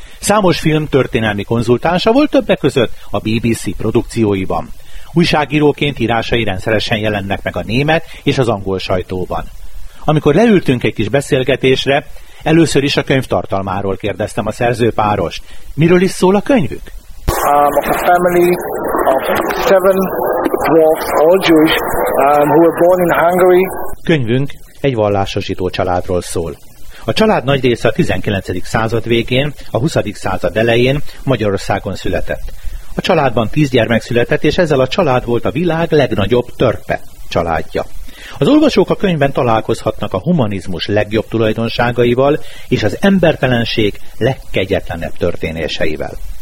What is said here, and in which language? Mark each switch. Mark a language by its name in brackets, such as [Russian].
[Hungarian] Számos film történelmi konzultánsa volt többek között a BBC produkcióiban. Újságíróként írásai rendszeresen jelennek meg a német és az angol sajtóban. Amikor leültünk egy kis beszélgetésre, először is a könyv tartalmáról kérdeztem a szerzőpárost. Miről is szól a könyvük? [English] A family of seven dwarfs, all Jewish, who were born in Hungary. [Hungarian] Könyvünk egy vallásos zsidó családról szól. A család nagy része a 19. század végén, a 20. század elején Magyarországon született. A családban 10 gyermek született, és ezzel a család volt a világ legnagyobb törpe családja. Az olvasók a könyvben találkozhatnak a humanizmus legjobb tulajdonságaival és az embertelenség legkegyetlenebb történéseivel.